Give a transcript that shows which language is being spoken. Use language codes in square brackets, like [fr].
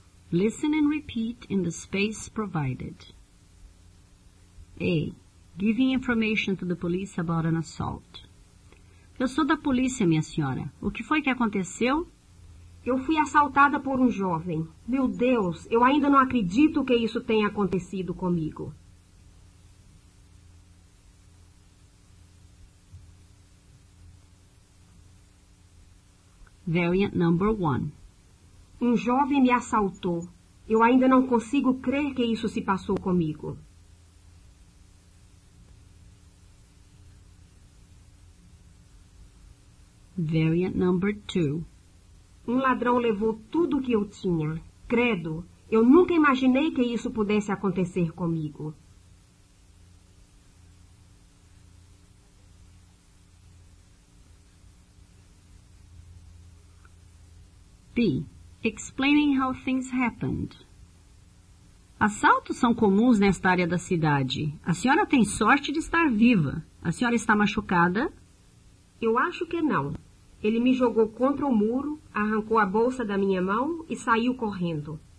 [en] Listen and repeat in the space provided. A. Giving information to the police about an assault. [pt] Eu sou da polícia, minha senhora. O que foi que aconteceu? Eu fui assaltada por um jovem. Meu Deus, eu ainda não acredito que isso tenha acontecido comigo. [en] Variant number one. [pt] Um jovem me assaltou. Eu ainda não consigo crer que isso se passou comigo. [en] Variant number two. [pt] Um ladrão levou tudo o que eu tinha. Credo, eu nunca imaginei que isso pudesse acontecer comigo. [en] B. Explaining how things happened. [pt] Assaltos são comuns nesta área da cidade. A senhora tem sorte de estar viva. A senhora está machucada? Eu acho que não. Ele me jogou contra o muro, arrancou a bolsa da minha mão e saiu correndo.